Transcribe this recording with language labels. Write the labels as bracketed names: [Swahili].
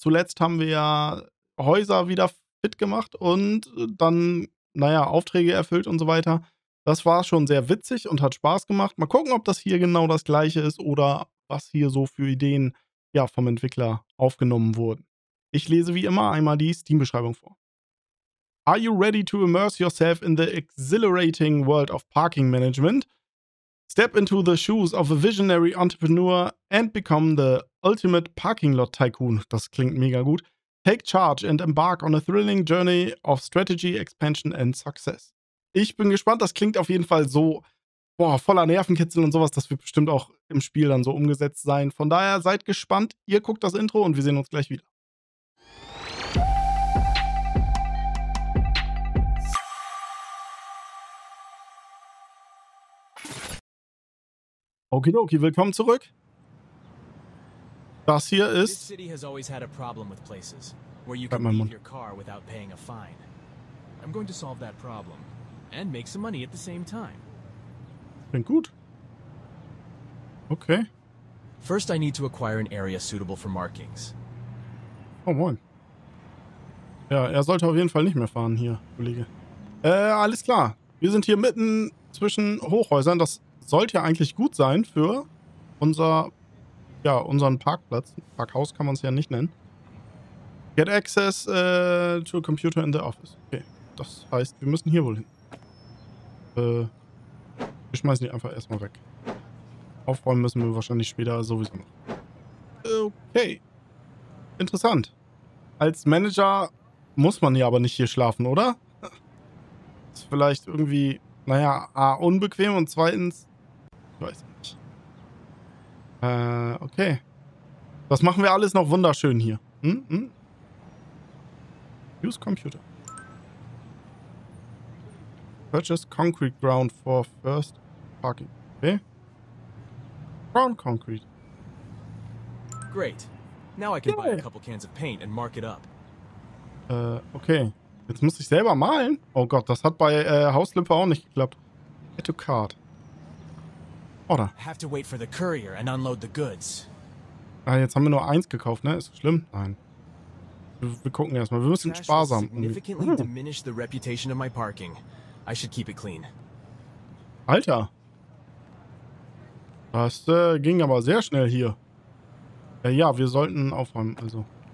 [German] Zuletzt haben wir ja Häuser wieder fit gemacht und dann, Aufträge erfüllt und so weiter. Das war schon sehr witzig und hat Spaß gemacht. Mal gucken, ob das hier genau das Gleiche ist oder was hier so für Ideen vom Entwickler aufgenommen wurden. Ich lese wie immer einmal die Steam-Beschreibung vor. [English] Are you ready to immerse yourself in the exhilarating world of parking management? Step into the shoes of a visionary entrepreneur and become the ultimate parking lot tycoon. [German] Das klingt mega gut. [English] Take charge and embark on a thrilling journey of strategy, expansion and success. [German] Ich bin gespannt, das klingt auf jeden Fall so voller Nervenkitzel und sowas, das wird bestimmt auch im Spiel dann so umgesetzt sein. Von daher seid gespannt, ihr guckt das Intro und wir sehen uns gleich wieder. Okidoki, willkommen zurück. Das hier ist. [English] This city has always had a problem with places where you can leave your car without paying a fine. I'm going to solve that problem and make some money at the same time. [German] Klingt gut. Okay. [English] First, I need to acquire an area suitable for markings. [German] Oh moin. Ja, er sollte auf jeden Fall nicht mehr fahren hier, Kollege. Alles klar. Wir sind hier mitten zwischen Hochhäusern. Das sollte ja eigentlich gut sein für unseren Parkplatz. Parkhaus kann man es ja nicht nennen. [English] Get access to a computer in the office. [German] Okay, das heißt, wir müssen hier wohl hin. Wir schmeißen die einfach erstmal weg. Aufräumen müssen wir wahrscheinlich später sowieso noch. Okay, interessant. Als Manager muss man ja aber nicht hier schlafen, oder? Ist vielleicht irgendwie, A, unbequem und zweitens, ich weiß nicht. Okay. Das machen wir alles noch wunderschön hier. [English] Use Computer. Purchase Concrete Ground for First Parking. Okay. Ground Concrete. Great. Now I can buy a couple cans of paint and mark it up. [German] Okay. Jetzt muss ich selber malen. Oh Gott, das hat bei House Flipper auch nicht geklappt. [English] Add to Cart. Oder? Have to wait for the courier and unload the goods. [German] Ah, jetzt haben wir nur eins gekauft, ne? Ist schlimm? Nein. Wir gucken erstmal. Wir müssen sparsam. [English] Significantly diminish the reputation of my parking. I should keep it clean. [German] Alter. Das ging aber sehr schnell hier. Ja, wir sollten aufräumen, also.